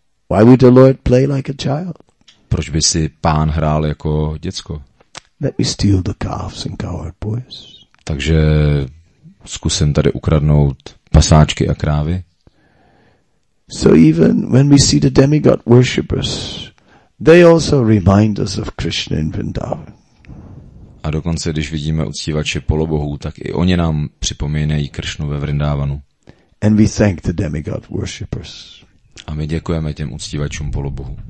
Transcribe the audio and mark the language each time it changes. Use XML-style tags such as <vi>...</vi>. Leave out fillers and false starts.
<en>Why would the Lord play like a child?</en> <cs>Proč by si pán hrál jako děcko?</cs> <en>Let me steal the calves and cowherd boys.</en> <cs>Takže zkusím tady ukradnout pasáčky a krávy.</cs> <en>So even when we see the demigod worshippers, they also remind us of Krishna in Vrindavan.</en> <cs>A dokonce, když vidíme uctívače polobohů, tak i oni nám připomínají Kršnu ve Vrindavanu.</cs> <en>And we thank the demigod worshippers.</en> <cs>A my děkujeme těm uctívačům polobohů.</cs>